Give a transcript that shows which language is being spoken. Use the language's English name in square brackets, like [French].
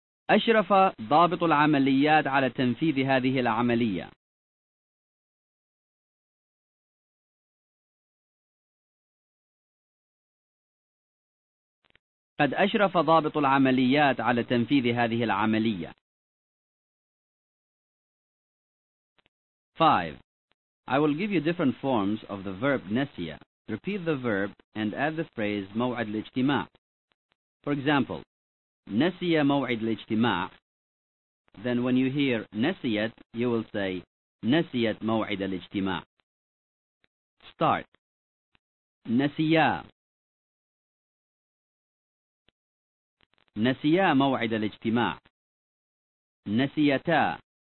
[Arabic] أشرف ضابط العمليات على تنفيذ هذه العملية. قد أشرف ضابط العمليات على تنفيذ هذه العملية. [English] 5. I will give you different forms of the verb نسيا. Repeat the verb and add the phrase [Arabic] موعد الاجتماع. [English] For example, [Arabic] نسي موعد الاجتماع. [English] Then when you hear نسيت, you will say [Arabic] نسيت موعد الاجتماع. [English] Start. نسيا. [Arabic] نسيا موعد الاجتماع. نسيتا.